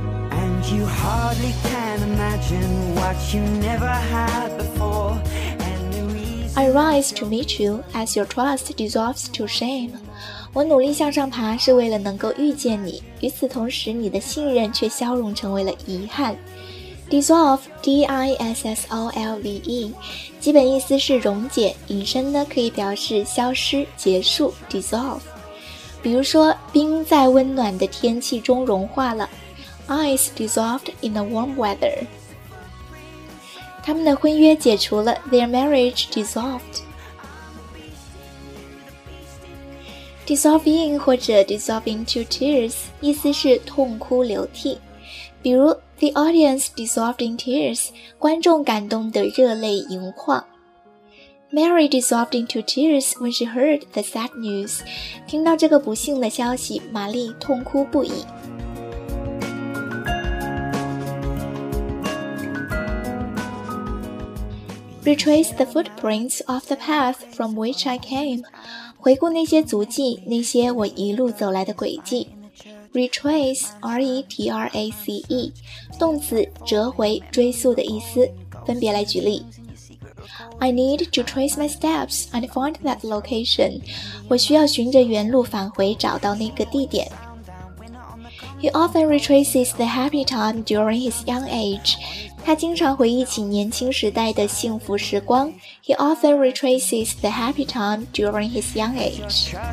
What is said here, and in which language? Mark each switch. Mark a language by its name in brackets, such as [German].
[English] And you hardly can imagine what you never had before. And the reason I rise to meet you as your trust dissolves to shame. [Chinese] 我努力向上爬是为了能够遇见你，与此同时你的信任却消融成为了遗憾。 Dissolve, D-I-S-S-O-L-V-E, 基本意思是溶解，引申呢可以表示消失、结束。Dissolve. 比如说冰在温暖的天气中融化了， [English] Ice dissolved in the warm weather. [Chinese] 他们的婚约解除了， [English] Their marriage dissolved. [Chinese] Dissolving 或者 [English] dissolving to tears [Chinese] 意思是痛哭流涕，比如 [English] The audience dissolved in tears, [Chinese] 观众感动得热泪盈眶。 [English] Mary dissolved into tears when she heard the sad news. [Chinese] 听到这个不幸的消息，玛丽痛哭不已。 [English] Retrace the footprints of the path from which I came. [Chinese] 回顾那些足迹，那些我一路走来的轨迹。 Retrace, R-E-T-R-A-C-E, 动词折回、追溯的意思。分别来举例。 [English] I need to trace my steps and find that location. [Chinese] 我需要循着原路返回，找到那个地点。 [English] He often retraces the happy time during his young age. [Chinese] 他经常回忆起年轻时代的幸福时光。 [English] He often retraces the happy time during his young age.